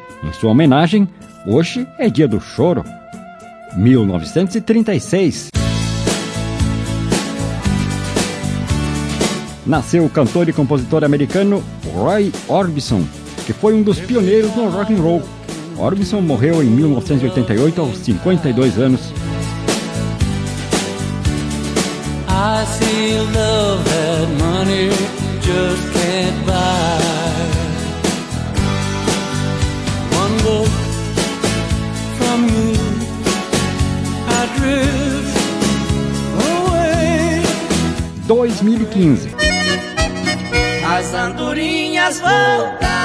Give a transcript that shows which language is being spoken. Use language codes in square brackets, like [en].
[pt] Em sua homenagem, hoje é dia do choro. 1936. Nasceu o cantor e compositor americano Roy Orbison, que foi um dos pioneiros no rock and roll. Orbison morreu em 1988, aos 52 anos. [en] I see love that money just can't buy. One look from you, I drift away. [pt] 2015. As andorinhas voltaram.